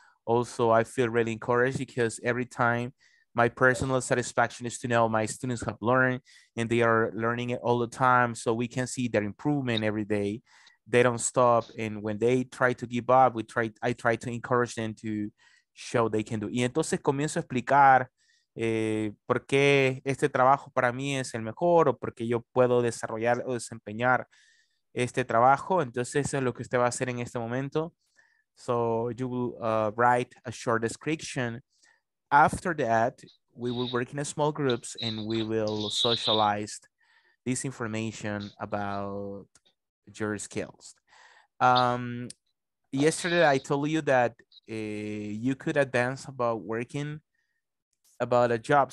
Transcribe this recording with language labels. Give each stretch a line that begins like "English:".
English: Also, I feel really encouraged because every time my personal satisfaction is to know my students have learned and they are learning it all the time. So we can see their improvement every day. They don't stop. And when they try to give up, I try to encourage them to show they can do.
Spanish: Y entonces comienzo a explicar por qué este trabajo para mí es el mejor o por qué yo puedo desarrollar o desempeñar este trabajo. Entonces eso es lo que usted va a hacer en este momento.
English: So you will write a short description. After that, we will work in a small groups and we will socialize this information about your skills. Yesterday, I told you that you could advance about working about a job.